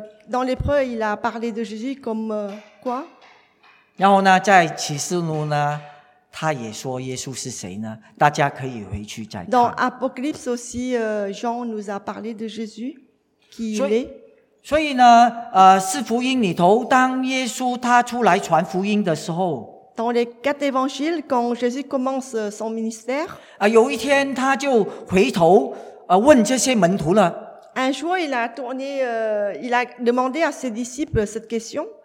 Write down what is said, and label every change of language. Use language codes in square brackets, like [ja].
[fr] dans l'épreuve, il a parlé de Jésus comme quoi? [zh] 然后呢在启示录呢他也说耶稣是谁呢大家可以回去再看。 [fr] Dans Apocalypse aussi, Jean nous a parlé de Jésus. qui il est. [zh] 所以呢, 是福音里头，当耶稣他出来传福音的时候。 [fr] Dans les quatre évangiles, quand Jésus commence son ministère. [zh] 有一天他就回头，问这些门徒了。 [fr] Un jour, il a tourné, il a demandé à ses disciples cette question.